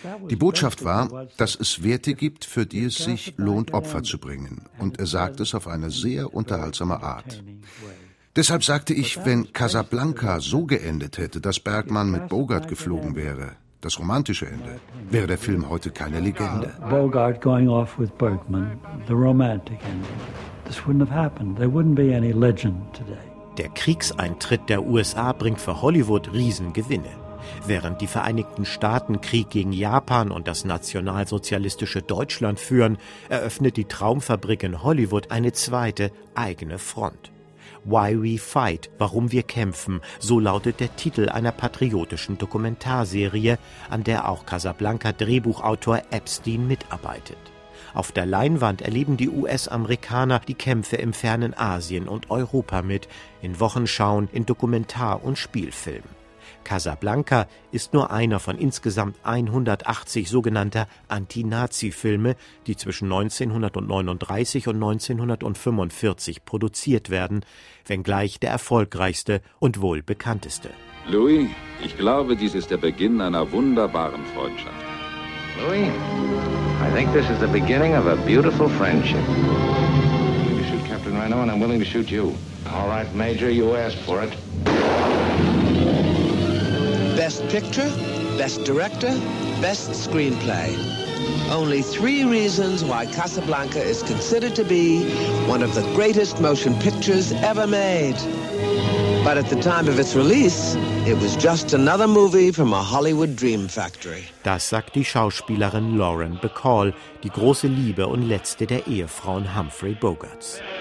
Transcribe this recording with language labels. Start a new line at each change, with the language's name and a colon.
German: Die Botschaft war, dass es Werte gibt, für die es sich lohnt, Opfer zu bringen. Und er sagt es auf eine sehr unterhaltsame Art. Deshalb sagte ich, wenn Casablanca so geendet hätte, dass Bergman mit Bogart geflogen wäre, das romantische Ende, wäre der Film heute keine Legende.
English: Bogart going off with Bergman, the romantic ending. This wouldn't have happened. There wouldn't be any legend today.
German: Der Kriegseintritt der USA bringt für Hollywood Riesengewinne. Während die Vereinigten Staaten Krieg gegen Japan und das nationalsozialistische Deutschland führen, eröffnet die Traumfabrik in Hollywood eine zweite, eigene Front. Why We Fight, warum wir kämpfen, so lautet der Titel einer patriotischen Dokumentarserie, an der auch Casablanca-Drehbuchautor Epstein mitarbeitet. Auf der Leinwand erleben die US-Amerikaner die Kämpfe im fernen Asien und Europa mit, in Wochenschauen, in Dokumentar- und Spielfilmen. Casablanca ist nur einer von insgesamt 180 sogenannter Anti-Nazi-Filme, die zwischen 1939 und 1945 produziert werden, wenngleich der erfolgreichste und wohl bekannteste. Louis, ich glaube, dies ist der Beginn einer wunderbaren Freundschaft.
English: Louis, I think this is the beginning of a beautiful friendship. I'm willing to shoot Captain Renault and I'm willing to shoot you. All right, Major, you asked for it. Best picture, best director, best screenplay. Only three reasons why Casablanca is considered to be one of the greatest motion pictures ever made. But at the time of its release, it was just another movie from a Hollywood dream factory.
German: Das sagt die Schauspielerin Lauren Bacall, die große Liebe und letzte der Ehefrauen Humphrey Bogarts.